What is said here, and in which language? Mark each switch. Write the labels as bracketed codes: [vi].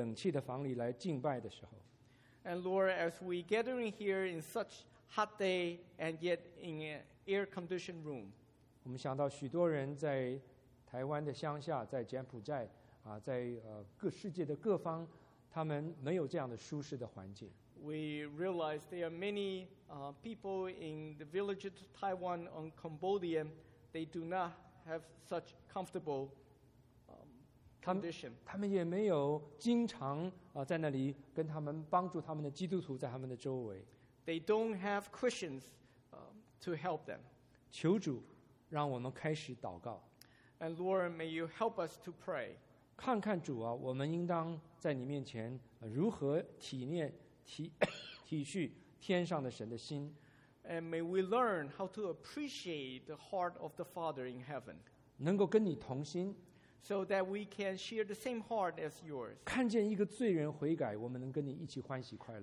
[zh] 主，当我们在这样炎热的天气坐在这个冷气的房里来敬拜的时候。 [en] And Lord, as we gathering here in such hot day and yet in an air-conditioned room, [zh] 我们想到许多人在台湾的乡下，在柬埔寨，在世界的各方，他们没有这样的舒适的环境。 [en] We realize there are many people in the villages of Taiwan and Cambodia, they do not have such comfortable condition. [zh] 他们也没有经常在那里跟他们帮助他们的基督徒在他们的周围。 [en] They don't have Christians to help them. [zh] 求主。让我们开始祷告。 [en] And Lord, may you help us to pray. [zh] 看看主啊, 我们应当在你面前, 如何体恤天上的神的心。 [en] And may we learn how to appreciate the heart of the Father in heaven. [zh] 能够跟你同心。 [en] So that we can share the same heart as yours. [zh] 看见一个罪人悔改, 我们能跟你一起欢喜快乐。